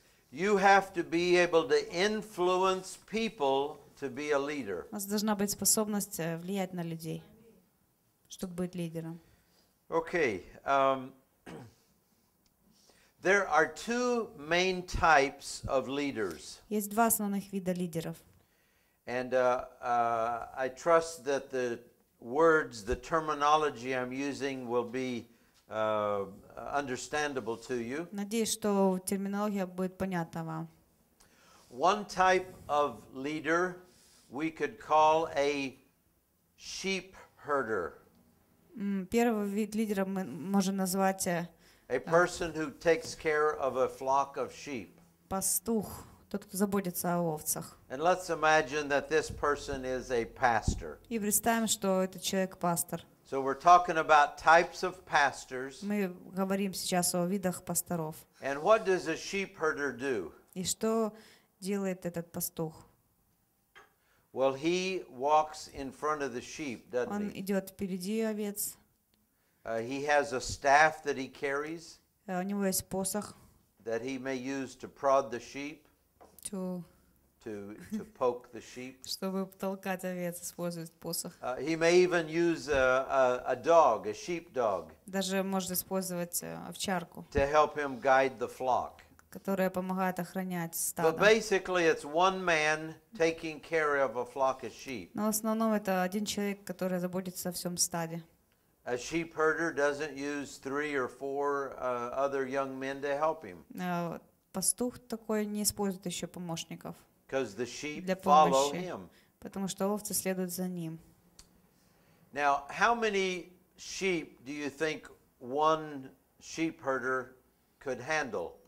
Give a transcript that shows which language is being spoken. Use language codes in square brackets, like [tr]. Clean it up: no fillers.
[en] You have to be able to influence people to be a leader. [ru] У вас должна быть способность влиять на людей, чтобы быть лидером. [en] Okay. There are two main types of leaders. [ru] Есть два основных вида лидеров. [en] And I trust that the words, the terminology I'm using will be understandable to you. [ru] Надеюсь, что терминология будет понятна вам. [en] One type of leader we could call a sheep herder. [ru] Первый вид лидера мы можем назвать [en] a person who takes care of a flock of sheep. [ru] Пастух. Тот, кто заботится о овцах. [en] And let's imagine that this person is a pastor. [ru] И представим, что этот человек пастор. [en] So we're talking about types of pastors. [ru] Мы говорим сейчас о видах пасторов. [en] And what does a sheep herder do? [ru] И что делает этот пастух? [en] Well, he walks in front of the sheep, doesn't [ru] он идет впереди овец. [en] He has a staff that he carries. [ru] У него есть посох. [en] That he may use to prod the sheep. To poke the sheep. [ru] Чтобы толкать овец, использует посох. [en] He may even use a dog, a sheep dog. [ru] Даже может использовать овчарку. [en] To help him guide the flock. [ru] Которая помогает охранять стадо. [en] But basically, it's one man taking care of a flock of sheep. [ru] Но в основном это один человек, который заботится о всем стаде. [en] A sheep herder doesn't use three or four other young men to help him. [ru] Пастух такой не использует еще помощников для помощи, потому что овцы следуют за ним. [en] Now, how many sheep do you think one sheep herder could handle?